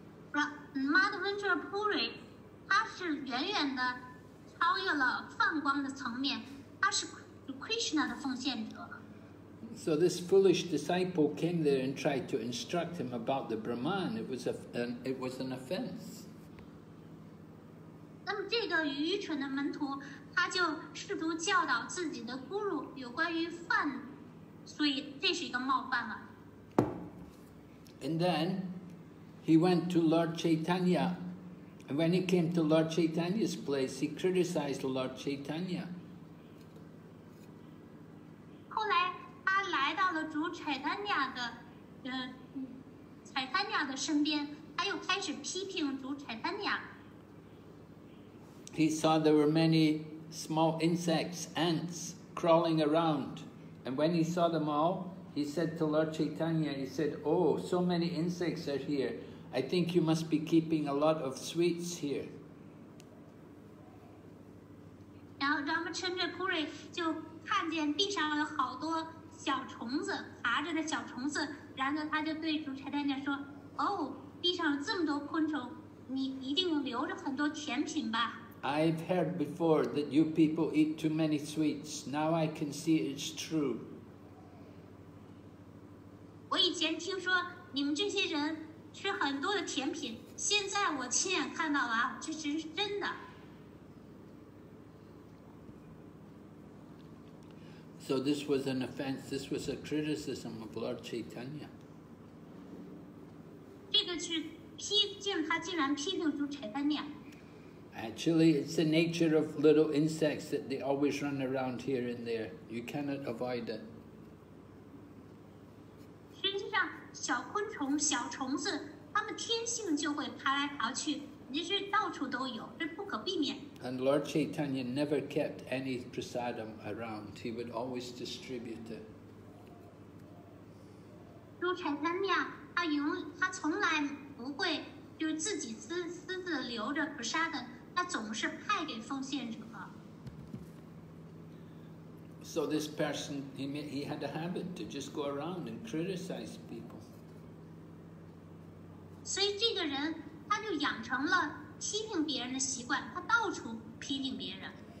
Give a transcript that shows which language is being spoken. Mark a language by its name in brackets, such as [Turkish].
[Chinese] Madhavendra Puri, 他是远远的超越了梵光的层面，他是 Krishna 的奉献者。 [English] So this foolish disciple came there and tried to instruct him about the Brahman. It was an offense. [Chinese] 那么这个愚蠢的门徒，他就试图教导自己的 guru 有关于梵，所以这是一个冒犯了。 [English] And then. He went to Lord Chaitanya, and when he came to Lord Chaitanya's place, he criticized Lord Chaitanya. [Chinese] 后来他来到了主 Chaitanya 的，Chaitanya 的身边，他又开始批评主 Chaitanya. [English] He saw there were many small insects, ants, crawling around, and when he saw them all, he said to Lord Chaitanya, he said, "Oh, so many insects are here. I think you must be keeping a lot of sweets here." [Chinese] Now Ramachandra Puri 就看见地上有好多小虫子，爬着的小虫子，然后他就对主 Chaitanya 说， "Oh, 地上有这么多昆虫，你一定留着很多甜品吧。 [English] I've heard before that you people eat too many sweets. Now I can see it's true." [Chinese] 我以前听说你们这些人吃很多的甜品，现在我亲眼看到了，这是真的。 [English] So this was an offense. This was a criticism of Lord Chaitanya. [Chinese] 这个是批评他，竟然批评出 Chaitanya。 [English] Actually, it's the nature of little insects that they always run around here and there. You cannot avoid it. [Chinese] 实际上，小昆虫、小虫子。他们天性就会爬来爬去，这是到处都有，这不可避免。 [English] And Lord Chaitanya never kept any prasadam around; he would always distribute it. [Chinese] Lord Chaitanya, 他从来不会就自己私自留着prasadam，他总是派给奉献者。 [English] So this person, he had a habit to just go around and criticize people. [Chinese] 所以这个人他就养成了批评别人的习惯，他到处批评别人。